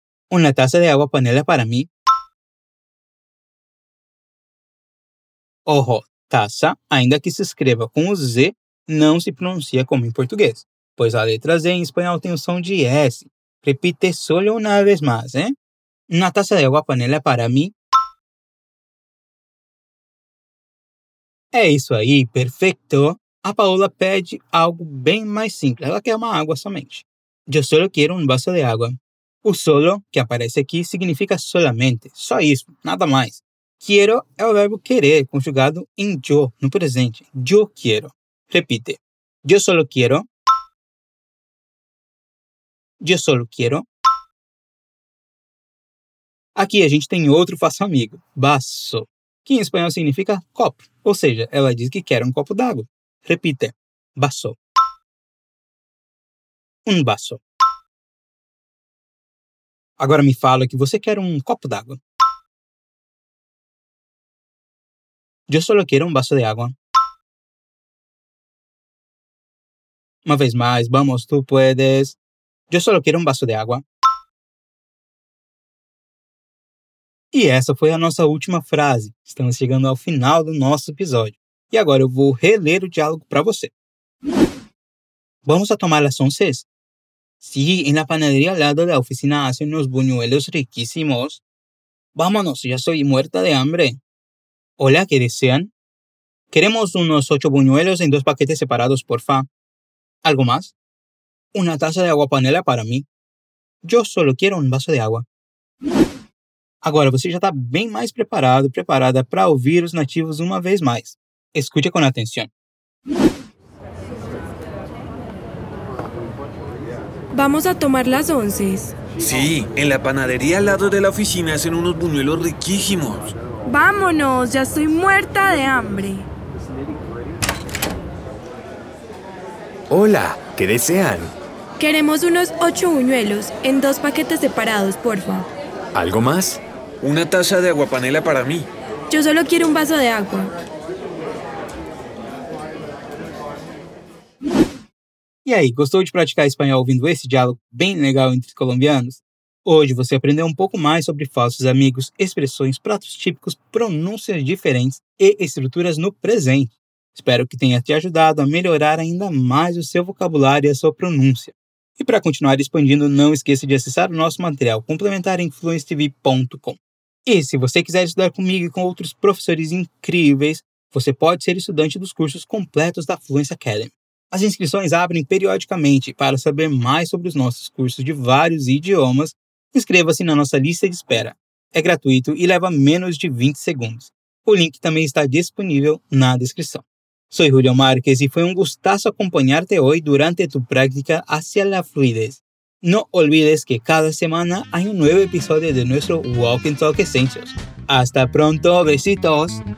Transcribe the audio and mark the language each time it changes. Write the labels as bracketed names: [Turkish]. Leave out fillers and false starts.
[Portuguese] Uma taça de água panela para mim. Ojo, taça, ainda que se escreva com o Z, não se pronuncia como em português, pois a letra Z em espanhol tem o som de S. [Spanish] Repite solo una vez más, hein? Una taza de agua panela para mí. [Portuguese] É isso aí, perfecto. A Paola pede algo bem mais simples. Ela quer uma água somente. [Spanish] Yo solo quiero un vaso de agua. [Portuguese] O solo, que aparece aqui, significa solamente. Só isso, nada mais. Quiero é o verbo querer, conjugado em yo, no presente. [Spanish] Yo quiero. Repite. Yo solo quiero. Yo solo quiero. [Portuguese] Aqui a gente tem outro falso amigo, vaso, que em espanhol significa copo, ou seja, ela diz que quer um copo d'água. [Spanish] Repite, vaso. Un vaso. [Portuguese] Agora me fala que você quer um copo d'água. [Spanish] Yo solo quiero un vaso de agua. [Portuguese] Uma vez mais, [Spanish] vamos, tú puedes. Yo solo quiero un vaso de agua. [Portuguese] E essa foi a nossa última frase. Estamos chegando ao final do nosso episódio. E agora eu vou reler o diálogo para você. [Spanish] Vamos a tomar las 11? Sí, en la panadería al lado de la oficina hacen unos buñuelos riquísimos. Vámonos, ya soy muerta de hambre. Hola, ¿qué desean? Queremos unos 8 buñuelos en 2 paquetes separados, porfa. ¿Algo más? Una taza de agua panela para mí. Yo solo quiero un vaso de agua. [Portuguese] Agora você já está bem mais preparado, preparada para ouvir os nativos uma vez mais. Escute com atenção. Vamos a tomar las 11. Sí, en la panadería al lado de la oficina hacen unos buñuelos riquísimos. Vámonos, ya estoy muerta de hambre. Hola, ¿qué desean? Queremos unos 8 buñuelos en 2 paquetes separados, porfa. ¿Algo más? Una taza de agua panela para mí. Yo solo quiero un vaso de agua. E aí, gostou de praticar espanhol ouvindo esse diálogo bem legal entre colombianos? Hoje você aprendeu um pouco mais sobre falsos amigos, expressões, pratos típicos, pronúncias diferentes e estruturas no presente. Espero que tenha te ajudado a melhorar ainda mais o seu vocabulário e a sua pronúncia. E para continuar expandindo, não esqueça de acessar o nosso material complementar em fluencetv.com. E se você quiser estudar comigo e com outros professores incríveis, você pode ser estudante dos cursos completos da Fluence Academy. As inscrições abrem periodicamente. Para saber mais sobre os nossos cursos de vários idiomas, inscreva-se na nossa lista de espera. É gratuito e leva menos de 20 segundos. O link também está disponível na descrição. [Spanish] Soy Julio Márquez y fue un gustazo acompañarte hoy durante tu práctica hacia la fluidez. No olvides que cada semana hay un nuevo episodio de nuestro Walk and Talk Essentials. ¡Hasta pronto! ¡Besitos!